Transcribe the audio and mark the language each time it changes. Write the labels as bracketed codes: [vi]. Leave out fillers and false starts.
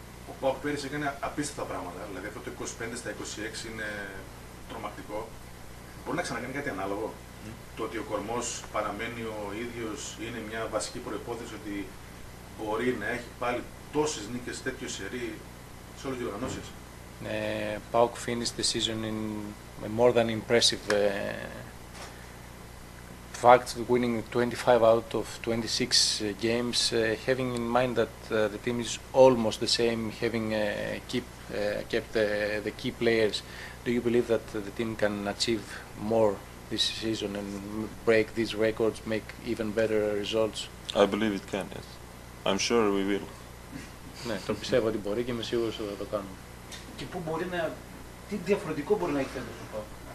[el] Ο ΠΑΟΚ πέρυσι έκανε απίστευτα πράγματα. Δηλαδή αυτό το 25 στα 26 είναι τρομακτικό. Μπορεί να ξανακάνει κάτι ανάλογο. Το ότι ο κορμός παραμένει ο ίδιος είναι μια βασική προϋπόθεση ότι μπορεί να έχει πάλι τόσες νίκες τέτοιο σερί σε όλες τις διοργανώσεις. [en] PAOK finished the season in a more than impressive fact, winning 25 out of 26 games, having in mind that the team is almost the same, having kept the key players. Do you believe that the team can achieve more this season and break these records, make even better results? I believe it can, yes. I'm sure we will. [el] Ναι, τον πιστεύω ότι μπορεί και είμαι σίγουρος ότι θα το κάνουμε. Και πού μπορεί να... Τι διαφορετικό μπορεί να έχει τέτοιο